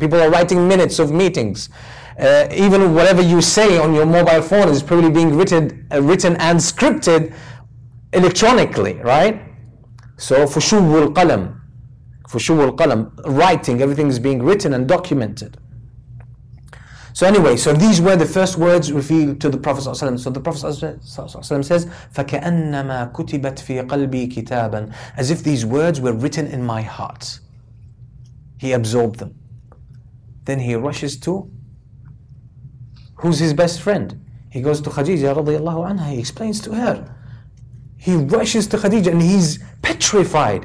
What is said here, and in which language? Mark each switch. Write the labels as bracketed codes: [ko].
[en] People are writing minutes of meetings. Even whatever you say on your mobile phone is probably being written and scripted electronically, right? So, fushu al-qalam, writing, everything is being written and documented. So anyway, so these were the first words revealed to the Prophet ﷺ. So the Prophet ﷺ says, [ar] فَكَأَنَّمَا كُتِبَتْ فِي قَلْبِي كِتَابًا. [en] As if these words were written in my heart. He absorbed them. Then he rushes to, who's his best friend? He goes to Khadija radiallahu anha, he explains to her. He rushes to Khadija and he's petrified.